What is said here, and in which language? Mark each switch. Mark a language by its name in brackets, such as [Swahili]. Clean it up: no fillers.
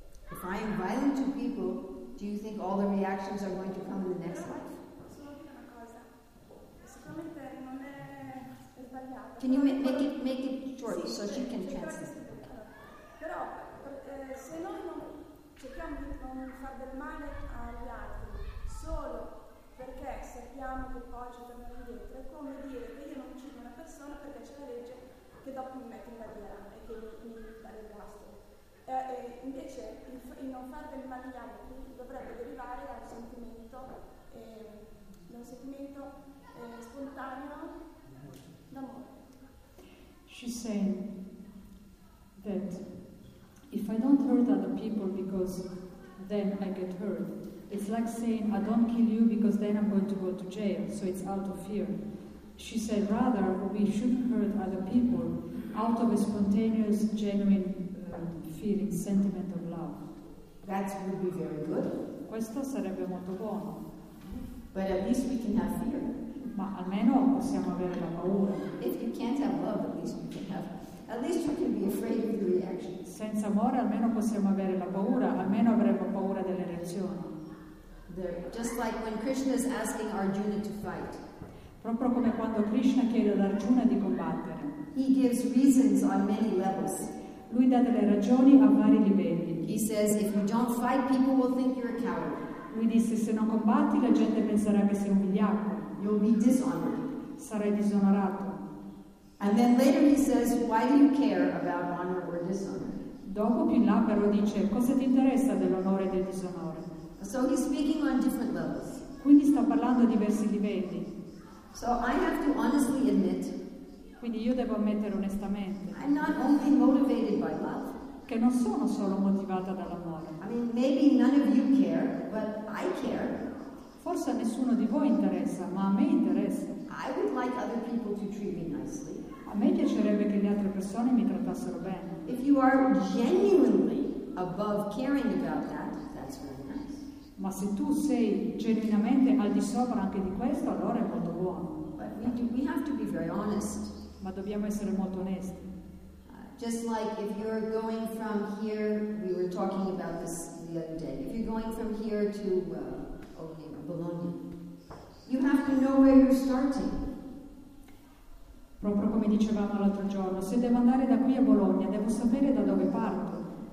[English] If I am violent to people, do you think all the reactions are going to come in the next life? Can you make it short so she can translate? [Italian] Però se noi non cerchiamo di non far del male agli altri solo perché sappiamo che poi ci torniamo indietro, è come dire che io non uccido una persona perché c'è la legge che dopo mi mette in barriera e che mi dà il guasto. Invece il non far del male agli altri dovrebbe derivare dal sentimento, spontaneo d'amore. [English] She said that if I don't hurt other people because then I get hurt, it's like saying I don't kill you because then I'm going to go to jail, so it's out of fear. She said rather we shouldn't hurt other people out of a spontaneous, genuine feeling, sentiment of love. That would be very good. [Italian] Questo sarebbe molto buono. [English] But at least we can have fear. [Italian] Ma almeno possiamo avere la paura. [English] If you can't have love, at least we can have. At least you can be afraid of the reaction. [Italian] Senza amore almeno possiamo avere la paura, almeno avremo paura delle reazioni. [English] Just like when Krishna is asking Arjuna to fight. [Italian] Proprio come quando Krishna chiede ad Arjuna di combattere. [English] He gives reasons on many levels. [Italian] Lui dà delle ragioni a vari livelli. [English] He says if you don't fight people will think you're a coward. [Italian] Lui disse se non combatti la gente penserà che sei un vigliacco. [English] You'll be dishonored. [Italian] Sarai disonorato. [English] And then later he says, why do you care about honor or dishonor? [Italian] Dopo più in là però dice, cosa ti interessa dell'onore e del disonore? [English] So he's speaking on different levels. [Italian] Quindi sta parlando a diversi livelli. [English] So I have to honestly admit. [Italian] Quindi io devo ammettere onestamente. [English] I'm not only motivated by love. [Italian] Che non sono solo motivata dall'amore. [English] I mean, maybe none of you care, but I care. [Italian] Forse a nessuno di voi interessa, ma a me interessa. [English] I would like other people to treat me nicely. [Italian] A me piacerebbe che le altre persone mi trattassero bene. [English] If you are genuinely above caring about that, that's very nice. [Italian] Ma se tu sei genuinamente al di sopra anche di questo, allora è molto buono. [English] But we have to be very honest. [Italian] Ma dobbiamo essere molto onesti. [English] Just like if you're going from here, we were talking about this the other day. If you're going from here to Bologna, you have to know where you're starting. [Italian] Proprio come dicevamo l'altro giorno, se devo andare da qui a Bologna, devo sapere da dove parto.